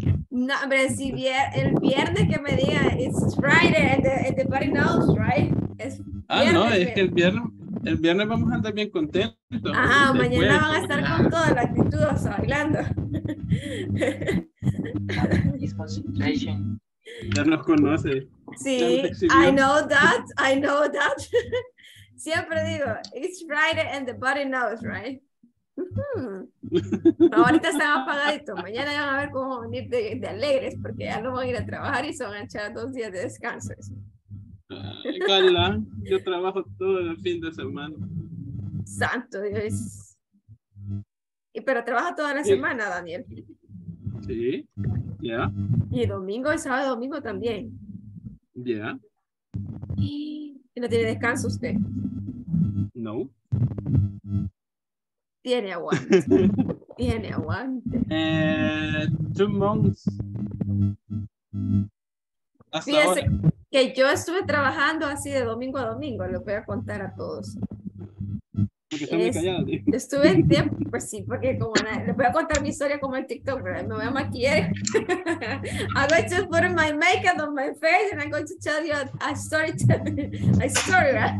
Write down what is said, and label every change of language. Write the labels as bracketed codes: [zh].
[es] No, hombre, si el viernes que me diga, [en] it's Friday and the party knows, right? [es] Es que el viernes vamos a andar bien contentos. Ajá, mañana jueves, van a estar con toda la actitud, o sea, bailando. Ya nos conoce. [en] Sí, I know that. [es] Siempre digo, [en] it's Friday and the body knows, right? [es] Pero ahorita están apagaditos. Mañana van a ver cómo venir de alegres porque ya no van a ir a trabajar y se van a echar dos días de descanso. Cala, yo trabajo todo el fin de semana. Santo Dios. Pero trabaja toda la semana, Daniel. Sí, ya. Y domingo, el sábado y domingo también. Ya. Yeah. ¿Y no tiene descanso usted? No. Tiene aguante. Tiene aguante. [en] 2 months. [es] Hasta fíjese ahora. Que yo estuve trabajando así de domingo a domingo, lo voy a contar a todos. Porque estoy muy callada, ¿sí? Estuve en tiempo, pues sí, porque como les voy a contar mi historia como el TikTok, ¿verdad? Me voy a maquillar. [en] I'm going to put my makeup on my face and I'm going to tell you a story, ¿verdad?